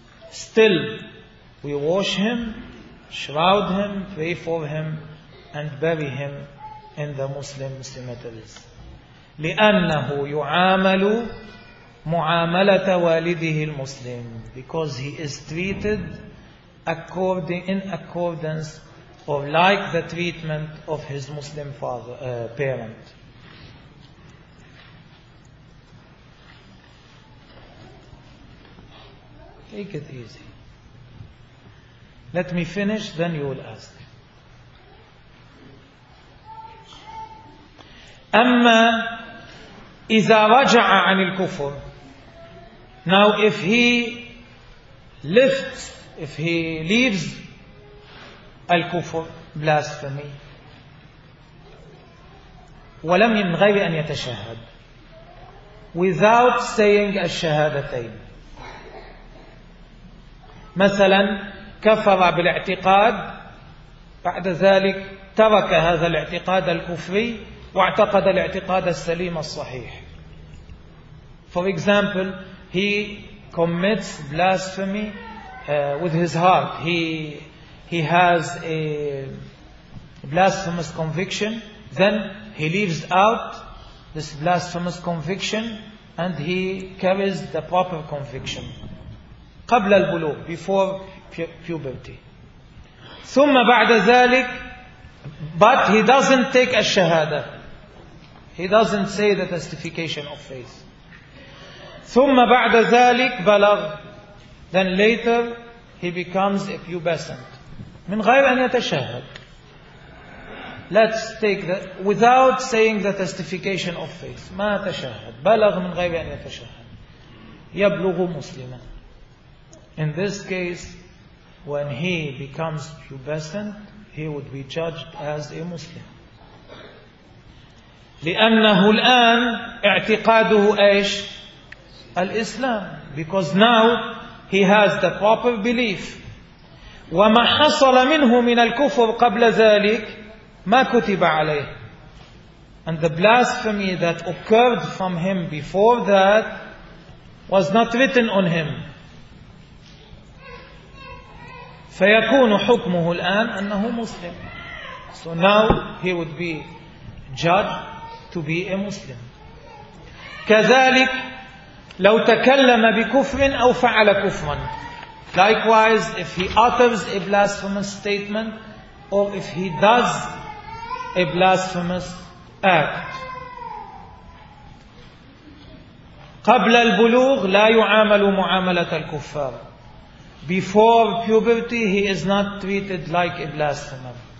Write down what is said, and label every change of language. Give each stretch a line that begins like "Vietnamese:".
English: Still, we wash him, shroud him, pray for him, and bury him in the Muslim cemeteries.
Arabic: لأنه يعامل معاملة والده المسلم.
English: Because he is treated in accordance or like the treatment of his Muslim parent. Take it easy. Let me finish, then you will ask.
Arabic: أما إذا رجع عن الكفر.
English: Now if he lifts, if he leaves الكفر, blasphemy,
Arabic: ولم من غير أن يتشهد,
English: without saying الشهادتين.
Arabic: مثلا كفر بالاعتقاد, بعد ذلك ترك هذا الاعتقاد الكفري واعتقد الاعتقاد السليم الصحيح.
English: For example, he commits blasphemy with his heart. He has a blasphemous conviction, then he leaves out this blasphemous conviction and he carries the proper conviction
Arabic: قبل البلوغ,
English: before puberty.
Arabic: ثم بعد ذلك,
English: but he doesn't take a shahada. He doesn't say the testification of faith.
Arabic: ثم بعد ذلك بلغ.
English: Then later he becomes a pubescent.
Arabic: من غير أن يتشهد.
English: Let's take that without saying the testification of faith.
Arabic: ما تشهد. بلغ من غير أن يتشهد. يبلغ مسلما.
English: In this case, when he becomes pubescent, he would be judged as a Muslim.
Arabic: لأنه الآن اعتقاده أيش؟ الإسلام.
English: Because now he has the proper belief.
Arabic: وما حصل منه من الكفر قبل ذلك ما كتب عليه.
English: And the blasphemy that occurred from him before that was not written on him.
Arabic: فيكون حكمه الآن أنه مسلم.
English: So now he would be judged to be a Muslim.
Arabic: كذلك لو تكلم بكفر أو فعل كفرا.
English: Likewise, if he utters a blasphemous statement or if he does a blasphemous act.
Arabic: قبل البلوغ لا يعامل معاملة الكفار.
English: Before puberty, he is not treated like a blasphemer.